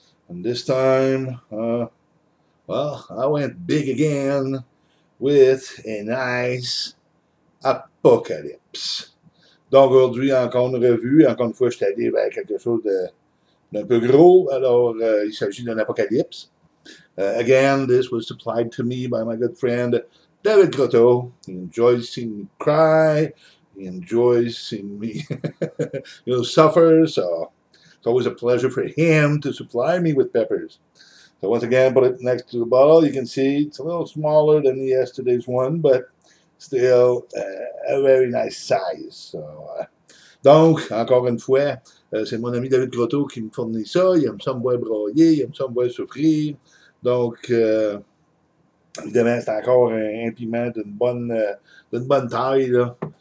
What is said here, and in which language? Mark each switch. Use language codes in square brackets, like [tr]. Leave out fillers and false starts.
[en] And this time, I went big again with a nice apocalypse. [fr] Donc aujourd'hui, encore une revue. Encore une fois, je suis allé vers quelque chose d'un peu gros. Alors, il s'agit d'un apocalypse. [en] Again, this was supplied to me by my good friend, David Croteau. He enjoys seeing me cry. He enjoys seeing me, you know, suffer. So it's always a pleasure for him to supply me with peppers. So once again, put it next to the bottle. You can see it's a little smaller than yesterday's one, but still a very nice size. [fr] So, donc, encore une fois, c'est mon ami David Croteau qui me fournit ça. Il aime ça me voir broyer, il aime ça me voir souffrir. Donc, évidemment, c'est encore un piment d'une bonne taille, là.